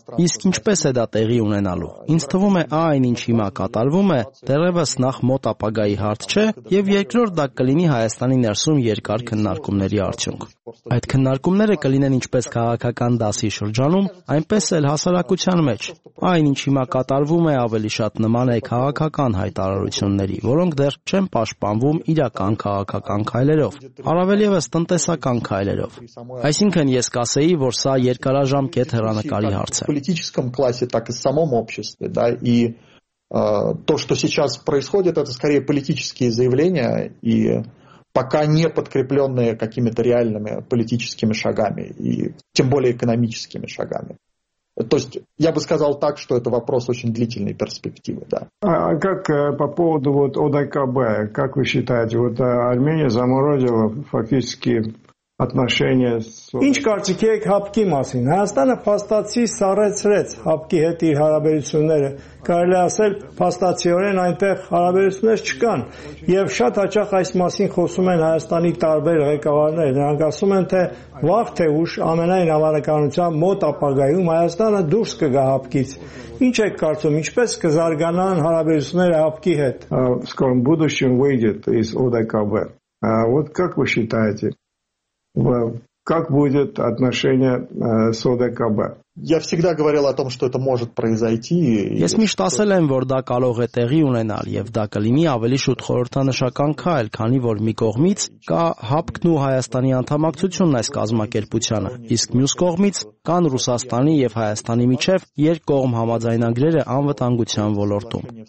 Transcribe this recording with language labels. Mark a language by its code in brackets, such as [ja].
[hy] Իսկ ինչպես է դա տեղի ունենալու։ Ինձ թվում է, այն, ինչ հիմա կատարվում է, դեռևս նախ մոտ ապագայի հարց չէ, և երկրորդ դա կլինի Հայաստանի ներսում երկար քննարկումների արդյունք։ Այդ քննարկումները կլինեն ինչպես քաղաքական դասի շրջանում, այնպես էլ հասարակության մեջ։ Այն, ինչ հիմա կատարվում է, ավելի շատ նման է քաղաքական հայտարարությունների, որոնք դեռ չեն պաշտպանվում իրական քաղաքական քայլերով, առավելևս տնտեսական քայլերով։ Այսինքն, ես կասեի, որ սա երկարաժամկետ հեռանկարի հարց է։ [ru] То, что сейчас происходит, это скорее политические заявления и пока не подкрепленные какими-то реальными политическими шагами и тем более экономическими шагами. То есть я бы сказал так, что это вопрос очень длительной перспективы, да. А как по поводу вот ОДКБ, как вы считаете, вот Армения заморозила фактически отношения с... [hy] Ինչ կարծիք եք հապկի մասին? Հայաստանը փաստացի սառեցրեց հապկի հետ իր հարաբերությունները, կարելի ասել փաստացիորեն այնտեղ հարաբերություններ չկան, եւ շատ հաճախ այս մասին խոսում են Հայաստանի տարբեր ղեկավարները, նրանք ասում են, թե վաղ թե ուշ ամենայն հավանականությամբ մոտ ապագայում Հայաստանը դուրս կգա հապկից։ Ինչ եք կարծում, ինչպես կզարգանան հարաբերությունները հապկի հետ? [ru] Скоро будущим выйдет из ОДКБ. А вот как вы считаете, как будет отношение с ОДКБ? Я всегда говорил о том, что это может произойти. [hy] Ես միշտ ասել եմ, որ դա կարող է տեղի ունենալ, եւ դա կլինի ավելի շուտ խորհրդանշական քայլ, քանի որ մի կողմից կա հապկն ու Հայաստանի անդամակցությունն այս կազմակերպությանը, իսկ մյուս կողմից կան Ռուսաստանի եւ Հայաստանի միջև երկկողմ համաձայնագրերը անվտանգության ոլորտում։